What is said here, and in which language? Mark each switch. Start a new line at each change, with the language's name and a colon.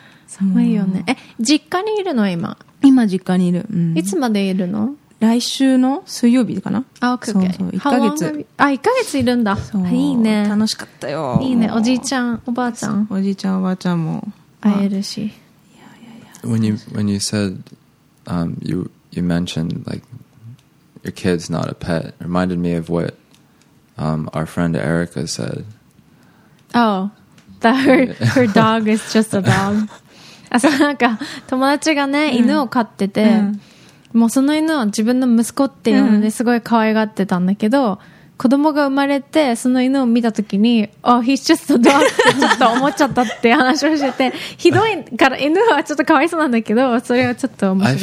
Japanese: 寒いよね。実家にいるの今。今実家にいる、うん。いつまでいるの？来週の水曜日かな。あ、OK、OK。 1ヶ月。あ、1ヶ月いるんだ。そう。いいね。楽しかったよ。いいね。おじいちゃん、おばあちゃん。おじいちゃん、おばあちゃんも。会えるし。いやいやいや。
English: When you said,you mentioned like your kid's not a pet, reminded me of what our friend Erica said. Oh, that her dog is just a dog.
Japanese: So, なんか友達がね、mm. 犬を飼ってて、mm. もうその犬は自分の息子っていうのですごい可愛がってたんだけど、子供が生まれてその犬を見た時に、
English: oh, he's just a dog
Japanese: ってちょっと思っちゃったって話をしてて、ひどいから犬はちょっとかわいそうなんだけど、それはちょっと面白い。